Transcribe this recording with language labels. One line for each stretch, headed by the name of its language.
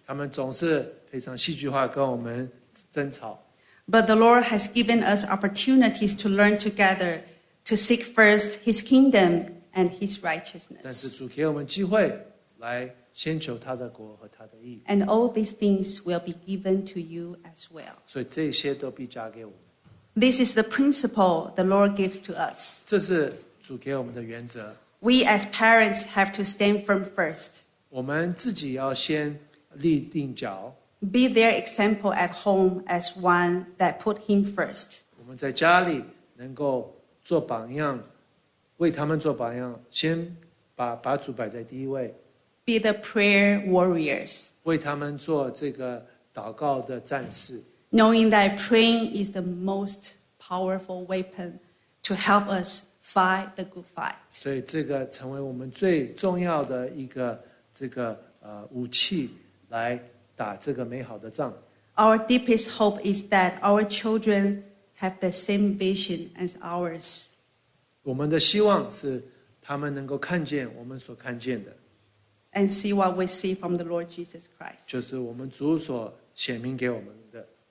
Chinese: 他们总是非常戏剧化跟我们。
English: But the Lord has given us opportunities to learn together to seek first His kingdom and His righteousness.
Chinese: 但是主给我们机会来先求他的国和他的义。
English: And all these things will be given to you as well.
Chinese: 所以这些都必加给我们。
English: This is the principle the Lord gives to us.
Chinese: 这是主给我们的原则。
English: We as parents have to stand firm first.
Chinese: 我们自己要先立定脚。
English: Be their example at home as one that put him first.
Chinese: 我们在家里能够做榜样，为他们做榜样，先把主摆在第一位。
English: Be the prayer warriors.
Chinese: 为他们做这个祷告的战士。
English: Knowing that praying is the most powerful weapon to help us fight the good fight.
Chinese: 所以这个成为我们最重要的一个武器来。打这个美好的仗。
English: Our deepest hope is that our children have the same vision as ours.
Chinese: 我们的希望是他们能够看见我们所看见的。
English: And see what we see from the Lord Jesus Christ.
Chinese: 就是我们主所显明给我们的。